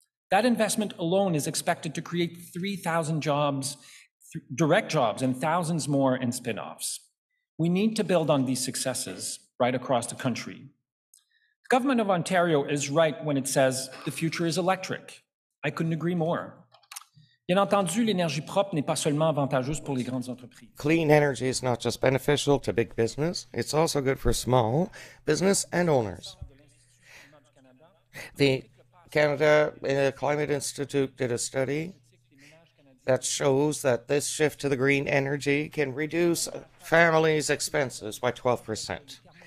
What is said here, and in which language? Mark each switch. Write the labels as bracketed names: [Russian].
[English] That investment alone is expected to create 3,000 jobs, direct jobs, and thousands more in spin-offs. We need to build on these successes right across the country. The government of Ontario is right when it says the future is electric. I couldn't agree more. [French] Bien entendu, l'énergie propre n'est pas seulement avantageuse pour les grandes entreprises. [English] Clean energy is not just beneficial to big business, it's also good for small business and owners. The Canada Climate Institute did a study that shows that this shift to the green energy can reduce families' expenses by 12%.